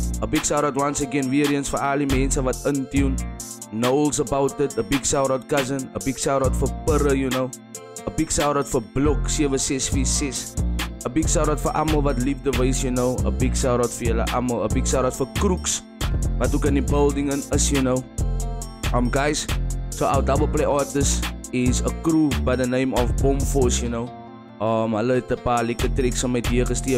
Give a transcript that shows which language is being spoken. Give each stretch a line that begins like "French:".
English: A big shout out once again,
Afrikaans: weer eens voor al die mensen wat
English: untune knows about it. A big shout out cousin, a big shout out for Purre, you know. A big shout out for Blok 7646. A big shout out for
Afrikaans: allemaal wat liefde wees,
English: you know. A big shout out for
Afrikaans: julle allemaal.
English: A big shout out for Crooks,
Afrikaans: wat ook in die building in is,
English: you know. Guys, so our double play artist is a crew by the name of Bomb Force, you know.
Afrikaans: Hulle het 'n paar lekker tracks om my deur gestuur.